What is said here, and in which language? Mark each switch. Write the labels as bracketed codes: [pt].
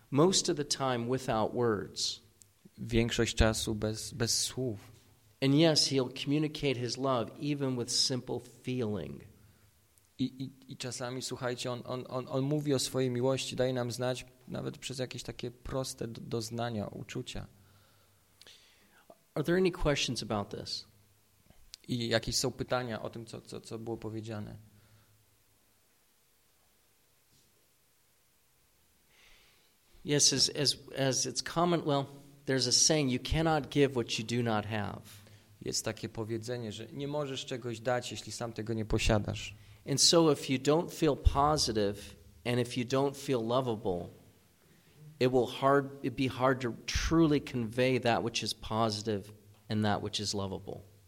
[en] Most of the time without words. [pl] Większość czasu bez słów. [en] And yes, he'll communicate his love even with simple feeling. [pl] I czasami, słuchajcie, on mówi o swojej miłości, daje nam znać nawet przez jakieś takie proste doznania, uczucia. [en] Are there any questions about this? [pl] I jakieś są pytania o tym, co było powiedziane? [en] Yes, as it's common, well, there's a saying, you cannot give what you do not have. [pl] Jest takie powiedzenie, że nie możesz czegoś dać, jeśli sam tego nie posiadasz. [en] And so if you don't feel positive and if you don't feel lovable, it'd be hard to truly convey that which is positive and that which is lovable.